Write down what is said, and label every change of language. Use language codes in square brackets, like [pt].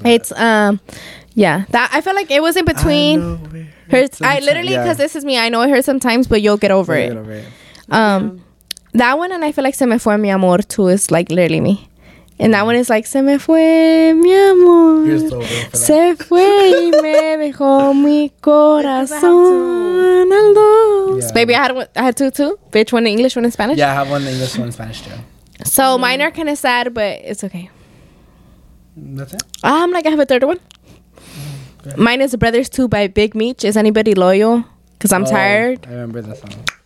[en] but it's yeah, that I feel like it was in between. I know it hurts sometimes, but you'll get over it. Yeah. That one, and I feel like Se Me Fue Mi Amor too is like literally me, and that one is like Se Me Fue Mi Amor, you're so real for that. [es] Se fue y me dejó mi corazón al dos. [en] Yeah. Baby, I had two, bitch, one in English, one in Spanish. Yeah, I have one in English, one in Spanish too. So mine are kind of sad, but it's okay. That's it? I have a third one. Mine is Brothers 2 by Big Meech. Is anybody loyal? Because I'm tired. I remember that song.